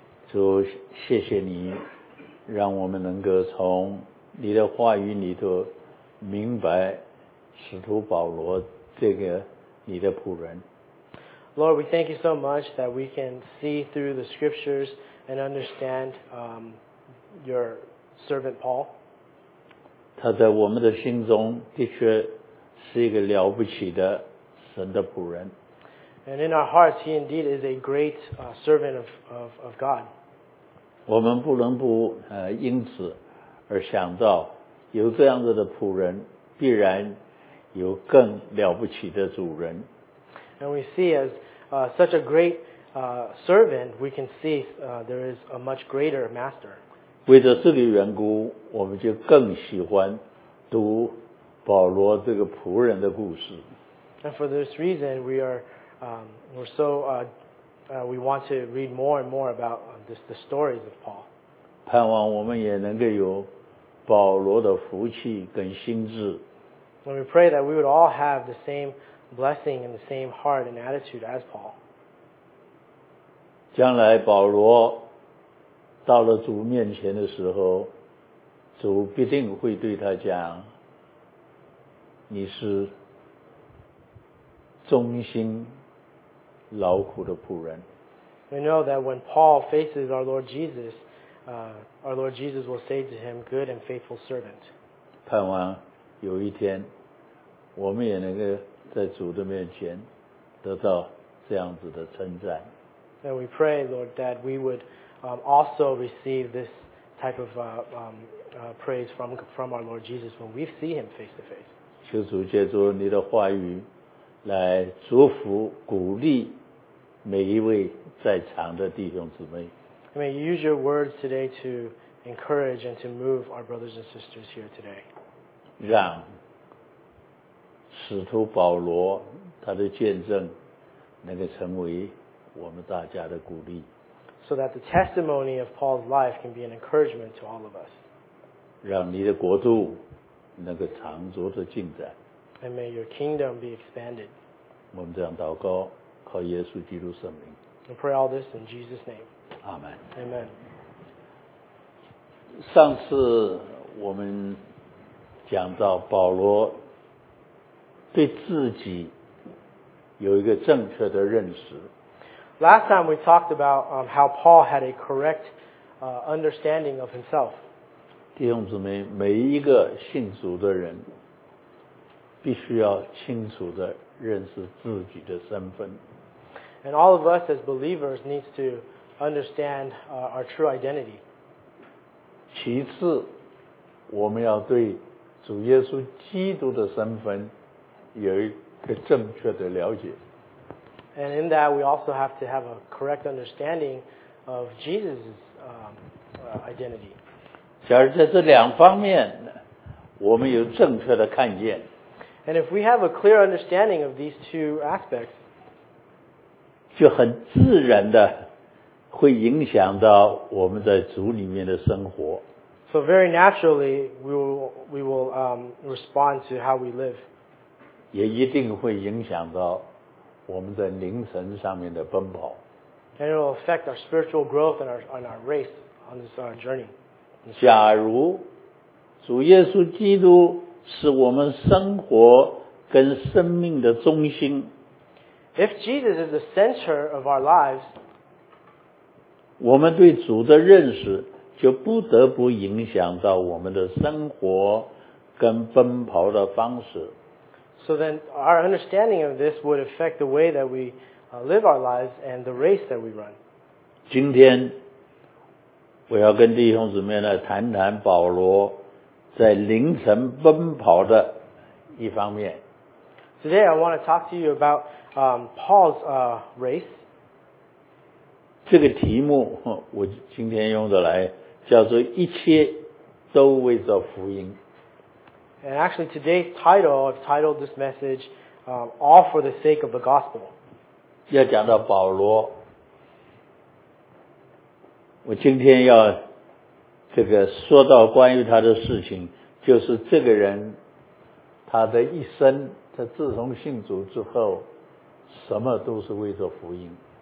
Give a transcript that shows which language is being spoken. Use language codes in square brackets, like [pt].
[zh] 主，谢谢你，让我们能够从你的话语里头明白使徒保罗这个你的仆人。 [en] Lord, we thank you so much that we can see through the scriptures and understand your servant Paul. [zh] 他在我们的心中的确是一个了不起的神的仆人。 [en] And in our hearts, he indeed is a great servant of God. [zh] 我们不能不因此而想到有这样子的仆人必然有更了不起的主人。 [en] And we see as such a great servant, we can see there is a much greater master. [zh] 为着这个缘故，我们就更喜欢读保罗这个仆人的故事。 [en] And for this reason, we are we want to read more and more about the stories of Paul. [zh] 盼望我们也能够有保罗的福气跟心智。 [en] And we pray that we would all have the same blessing and the same heart and attitude as Paul. [zh] 将来保罗到了主面前的时候，主必定会对他讲，你是忠心劳苦的仆人。 [en] We know that when Paul faces our Lord Jesus, Our Lord Jesus will say to him, good and faithful servant. [zh] 盼望有一天我们也能够在主的面前得到这样子的称赞。 [en] And we pray, Lord, that we would also receive this type of praise from our Lord Jesus when we see him face to face. [zh] 求主借助你的话语来祝福鼓励每一位在场的弟兄姊妹。 [en] May you use your words today to encourage and to move our brothers and sisters here today. [zh] 让使徒保罗他的见证能够成为我们大家的鼓励。 [en] So that the testimony of Paul's life can be an encouragement to all of us. [zh] 让你的国度能够长足的进展。 [en] And may your kingdom be expanded. [zh] 我们这样祷告，靠耶稣基督圣名。 [en] We pray all this in Jesus' name. Amen. Amen. [zh] 上次我们讲到保罗对自己有一个正确的认识。 [en] Last time we talked about how Paul had a correct understanding of himself. [zh] 弟兄姊妹，每一个信主的人必须要清楚地认识自己的身份。 [en] And all of us as believers needs to understand our true identity. [zh] 其次，我们要对主耶稣基督的身份有一个正确的了解。 [en] And in that, we also have to have a correct understanding of Jesus' identity. [zh] 假如在这两方面，我们有正确的看见。 [en] And if we have a clear understanding of these two aspects, [zh] 就很自然的会影响到我们在主里面的生活。 [en] So very naturally, we will respond to how we live. [zh] 也一定会影响到我们在灵神上面的奔跑。 [en] And it will affect our spiritual growth and our race on this journey. [zh] 假如主耶稣基督是我们生活跟生命的中心。 [en] If Jesus is the center of our lives, [zh] 我们对主的认识就不得不影响到我们的生活跟奔跑的方式。 [en] So then our understanding of this would affect the way that we live our lives and the race that we run. [zh] 今天我要跟弟兄姊妹来谈谈保罗在灵城奔跑的一方面。 [en] Today I want to talk to you about Paul's race. [zh] 这个题目我今天用的来叫做一切都为着福音。 [en] And actually today's title, I've titled this message All for the Sake of the Gospel. [zh] 要讲到保罗，我今天要这个说到关于他的事情，就是这个人他的一生，他自从信主之后什么都是为着福音。